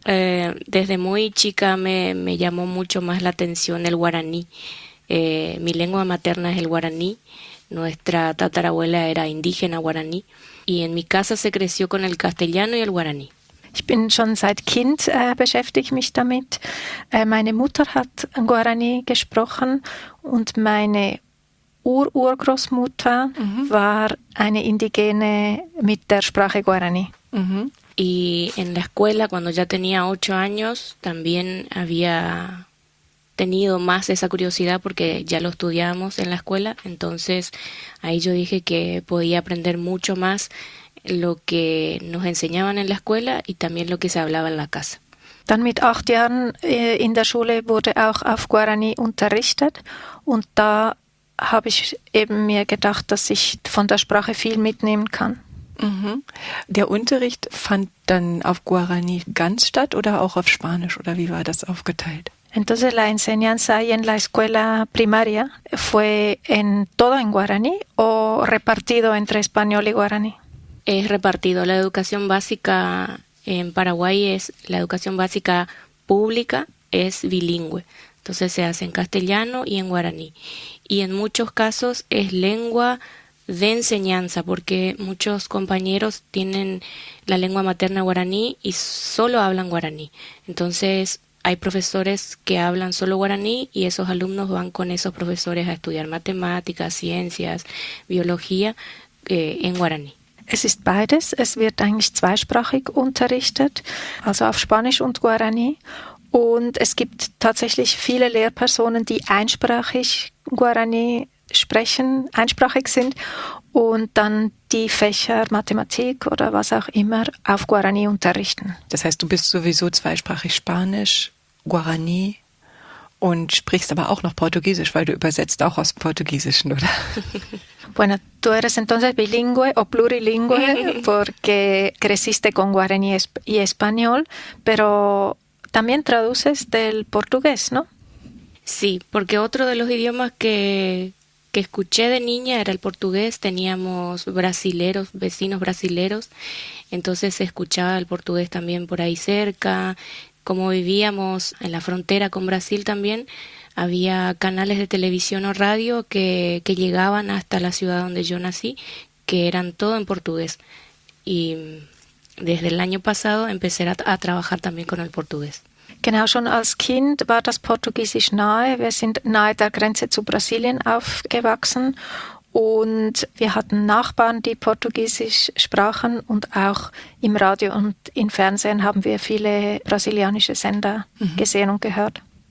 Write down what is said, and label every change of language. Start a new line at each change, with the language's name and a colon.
Spanish: Desde muy chica me llamó mucho más la atención el guaraní. Mi lengua materna es el guaraní. Nuestra tatarabuela era indígena guaraní. Y en mi casa se creció con el castellano y el guaraní.
German: Ich bin schon seit Kind, beschäftige mich damit. Meine Mutter hat Guarani gesprochen und meine Ur-Urgroßmutter war eine Indigene mit der Sprache Guarani.
Spanish: Y en la escuela, cuando ya tenía 8 años, también había tenido más esa curiosidad porque ya lo estudiábamos en la escuela. Entonces ahí yo dije que podía aprender mucho más lo que nos enseñaban en la escuela y también lo que se hablaba en la casa.
German: Dann mit 8 Jahren in der Schule wurde auch auf Guarani unterrichtet und da habe ich eben mir gedacht, dass ich von der Sprache viel mitnehmen kann. Der Unterricht fand dann auf Guarani ganz statt oder auch auf Spanisch oder wie war das aufgeteilt?
Spanish: Entonces la enseñanza ahí en la escuela primaria fue en todo en guaraní o repartido entre español y guaraní. Es repartido. La educación básica en Paraguay es la educación básica pública, es bilingüe. Entonces se hace en castellano y en guaraní. Y en muchos casos es lengua de enseñanza, porque muchos compañeros tienen la lengua materna guaraní y solo hablan guaraní. Entonces hay profesores que hablan solo guaraní y esos alumnos van con esos profesores a estudiar matemáticas, ciencias, biología, en guaraní.
German: Es ist beides. Es wird eigentlich zweisprachig unterrichtet, also auf Spanisch und Guarani. Und es gibt tatsächlich viele Lehrpersonen, die einsprachig Guarani sprechen, einsprachig sind und dann die Fächer Mathematik oder was auch immer auf Guarani unterrichten. Das heißt, du bist sowieso zweisprachig Spanisch, Guarani und sprichst aber auch noch Portugiesisch, weil du übersetzt auch aus dem Portugiesischen, oder?
Spanish: Bueno, tú eres entonces bilingüe o plurilingüe porque creciste con guaraní y español, pero también traduces del portugués, ¿no? Sí, porque otro de los idiomas que escuché de niña era el portugués. Teníamos brasileros, vecinos brasileros, entonces se escuchaba el portugués también por ahí cerca. Como vivíamos en la frontera con Brasil también, había canales de televisión o radio que llegaban hasta la ciudad donde yo nací, que eran todo en portugués. Y desde el año pasado empecé a trabajar también con el portugués.
German: Genau, schon als Kind war das Portugiesisch nahe. Wir sind nahe der Grenze zu Brasilien aufgewachsen und wir hatten Nachbarn, die Portugiesisch sprachen und auch im Radio und im Fernsehen haben wir viele brasilianische Sender gesehen und gehört.